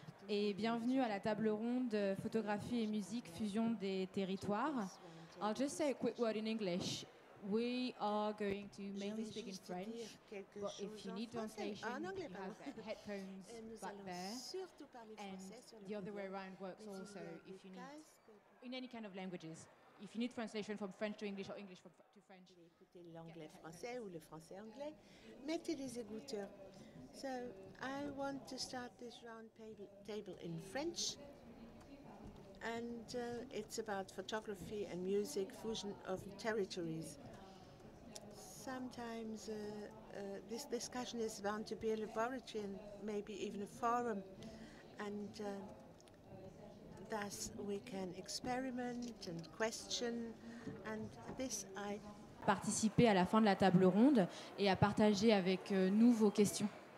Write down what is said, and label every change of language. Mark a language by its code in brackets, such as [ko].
[fr] Et bienvenue à la table ronde photographie et musique fusion des territoires. [en] I'll just say a quick word in English. We are going to mainly speak in French, but if you need translation, you have headphones back there, and the other way around works also if you need, in any kind of languages. If you need translation from French to English or English to French, [fr] écoutez l'anglais français ou le français anglais, mettez des écouteurs. [en] So I want to start this round table in French, and it's about photography and music fusion of territories. Sometimes this discussion is bound to be a laboratory and maybe even a forum, and thus we can experiment and question, and this I [fr] participer à la fin de la table ronde et à partager avec nous vos questions.